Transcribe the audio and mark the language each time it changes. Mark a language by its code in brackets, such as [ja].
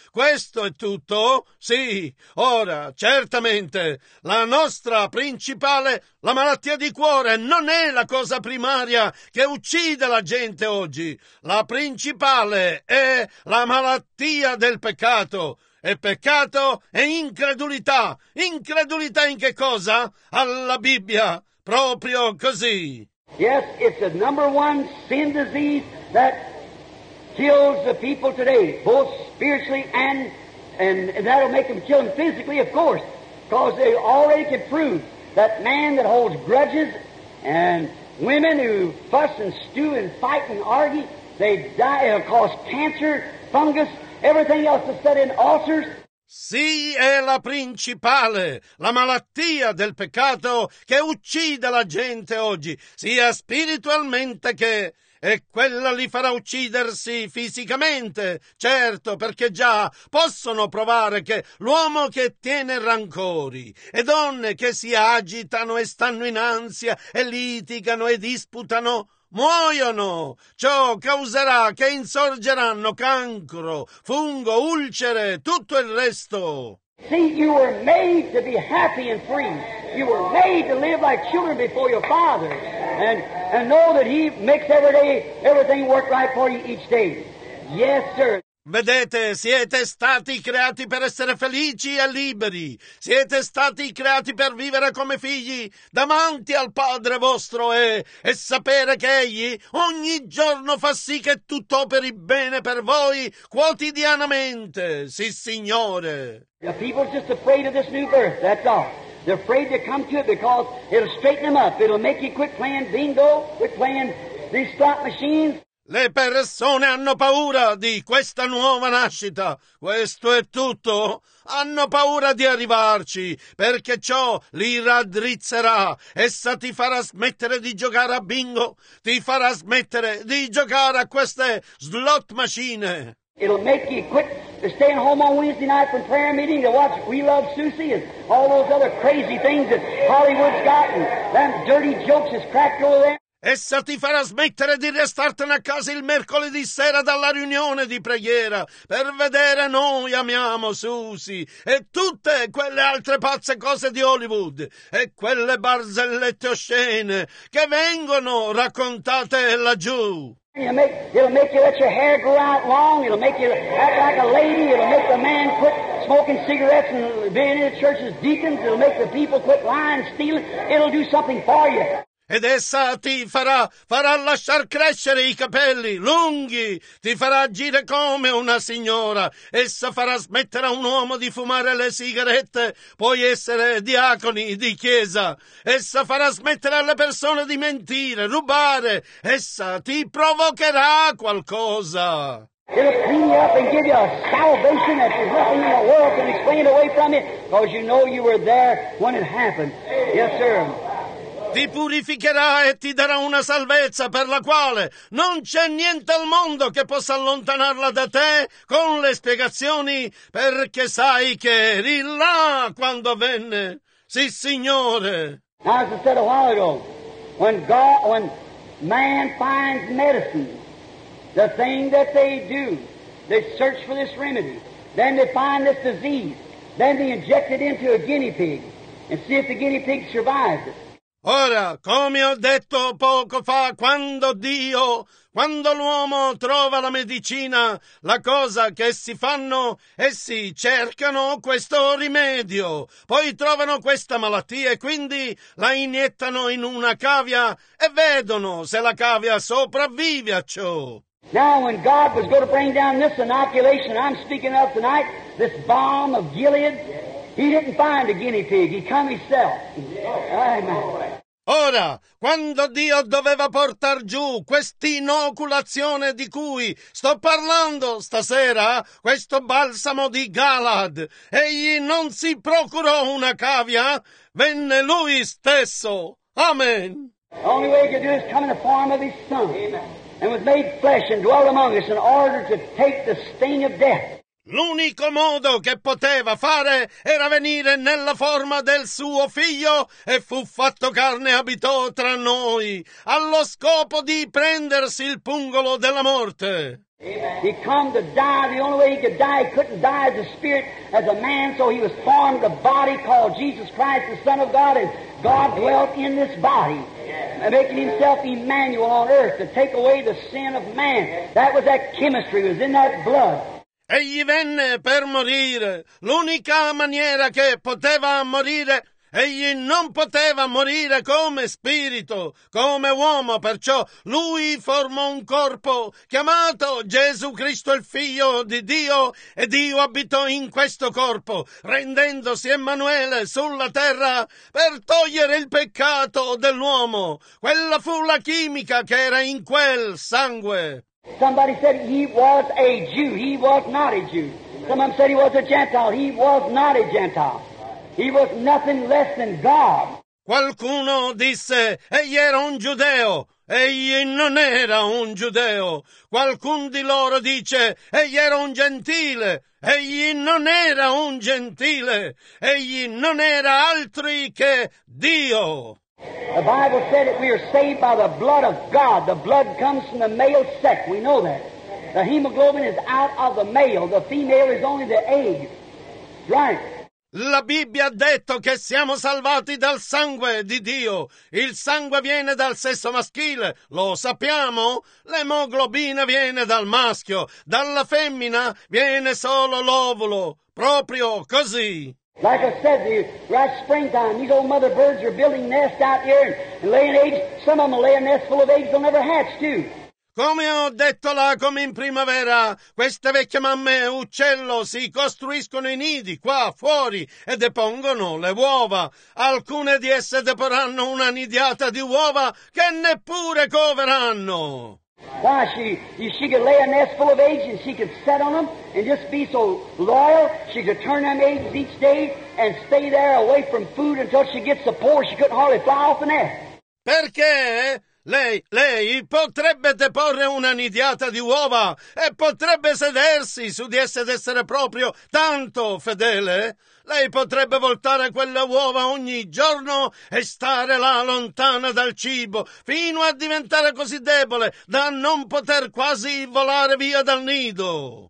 [it] Questo è tutto? Sì. Ora, certamente, la nostra principale, la malattia di cuore, non è la cosa primaria che uccide la gente oggi. La principale è la malattia del peccato. E peccato è incredulità. Incredulità in che cosa? Alla Bibbia. Proprio così. [en] Yes, it's the number one sin disease that kills the people today, both spiritually and that'll make them kill them physically, of course, because they already can prove that man that holds grudges and women who fuss and stew and fight and argue, they die, it'll cause cancer, fungus, everything else to set in ulcers. [it] Sì, è la principale, la malattia del peccato che uccide la gente oggi, sia spiritualmente che... E quella li farà uccidersi fisicamente, certo, perché già possono provare che l'uomo che tiene rancori e donne che si agitano e stanno in ansia e litigano e disputano... Muoiono! Ciò causerà che insorgeranno cancro, fungo, ulcere, tutto il resto. [en] See, you were made to be happy and free. You were made to live like children before your father. And know that he makes everything work right for you each day. Yes, sir. [it] Vedete, siete stati creati per essere felici e liberi. Siete stati creati per vivere come figli davanti al Padre vostro e sapere che Egli ogni giorno fa sì che tutto operi bene per voi quotidianamente. Sì, Signore. [en] The people are just afraid of this new birth, that's all. They're afraid to come to it because it'll straighten them up. It'll make you quit playing bingo, quit playing these slot machines. [it] Le persone hanno paura di questa nuova nascita. Questo è tutto. Hanno paura di arrivarci, perché ciò li raddrizzerà. Essa ti farà smettere di giocare a bingo. Ti farà smettere di giocare a queste slot machine. [en] It'll make you quit staying home on Wednesday night from prayer meeting to watch We Love Susie and all those other crazy things that Hollywood's got and them dirty jokes is cracked over there. [it] Essa ti farà smettere di restartene a casa il mercoledì sera dalla riunione di preghiera per vedere Noi Amiamo Susie e tutte quelle altre pazze cose di Hollywood e quelle barzellette oscene che vengono raccontate laggiù. [en] It'll make you let your hair grow out long, it'll make you act like a lady, it'll make the man quit smoking cigarettes and being in the church as deacons, it'll make the people quit lying, stealing, it'll do something for you. [it] Ed essa ti farà lasciar crescere i capelli lunghi, ti farà agire come una signora. Essa farà smettere a un uomo di fumare le sigarette, puoi essere diaconi di chiesa. Essa farà smettere alle persone di mentire, rubare. Essa ti provocherà qualcosa. [en] It'll clean you up and give you a salvation that nothing in the world can explain away from you, because you know you were there when it happened. Yes, sir. [it] Ti purificherà e ti darà una salvezza per la quale non c'è niente al mondo che possa allontanarla da te con le spiegazioni, perché sai che eri là quando avvenne. Sì, Signore. [en] Now, as I said a while ago, when man finds medicine, the thing that they do, they search for this remedy, then they find this disease, then they inject it into a guinea pig and see if the guinea pig survives it. [it] Ora, come ho detto poco fa, quando l'uomo trova la medicina, la cosa che essi fanno, essi cercano questo rimedio. Poi trovano questa malattia e quindi la iniettano in una cavia e vedono se la cavia sopravvive a ciò. [en] Now, when God was going to bring down this inoculation I'm speaking of tonight, this balm of Gilead, He didn't find a guinea pig, he come himself. Amen. [it] Ora, quando Dio doveva portar giù quest'inoculazione di cui sto parlando stasera, questo balsamo di Galad, egli non si procurò una cavia, venne lui stesso. Amen. [en] The only way he could do it is come in the form of his son. Amen. And was made flesh and dwelt among us in order to take the sting of death. [it] L'unico modo che poteva fare era venire nella forma del suo figlio e fu fatto carne e abitò tra noi, allo scopo di prendersi il pungolo della morte. [en] He came to die, the only way he could die, he couldn't die as a spirit, as a man, so he was formed a body called Jesus Christ, the Son of God, and God dwelt in this body, making himself Emmanuel on earth to take away the sin of man. That chemistry was in that blood. [it] Egli venne per morire. L'unica maniera che poteva morire, egli non poteva morire come spirito, come uomo. Perciò lui formò un corpo chiamato Gesù Cristo, il Figlio di Dio, e Dio abitò in questo corpo, rendendosi Emanuele sulla terra per togliere il peccato dell'uomo. Quella fu la chimica che era in quel sangue. [en] Somebody said he was a Jew. He was not a Jew. Some of them said he was a Gentile. He was not a Gentile. He was nothing less than God. [it] Qualcuno disse egli era un giudeo. Egli non era un giudeo. Qualcun di loro dice egli era un gentile. Egli non era un gentile. Egli non era altri che Dio. [en] The Bible said that we are saved by the blood of God. The blood comes from the male sex. We know that. The hemoglobin is out of the male. The female is only the egg. Right. [it] La Bibbia ha detto che siamo salvati dal sangue di Dio. Il sangue viene dal sesso maschile. Lo sappiamo. L'emoglobina viene dal maschio. Dalla femmina viene solo l'ovulo. Proprio così. [en] Like I said, right springtime, these old mother birds are building nests out here and laying eggs. Some of them will lay a nest full of eggs they'll never hatch, too. [it] Come ho detto là, come in primavera, queste vecchie mamme uccello si costruiscono i nidi qua fuori e depongono le uova. Alcune di esse deporranno una nidiata di uova che neppure coveranno. [en] Why, she could lay a nest full of eggs, and she could set on them and just be so loyal. She could turn them eggs each day and stay there away from food until she gets so poor she couldn't hardly fly off the nest. [it] Perché lei potrebbe deporre una nidiata di uova e potrebbe sedersi su di esse ed essere proprio tanto fedele. Lei potrebbe voltare quelle uova ogni giorno e stare là lontana dal cibo fino a diventare così debole da non poter quasi volare via dal nido.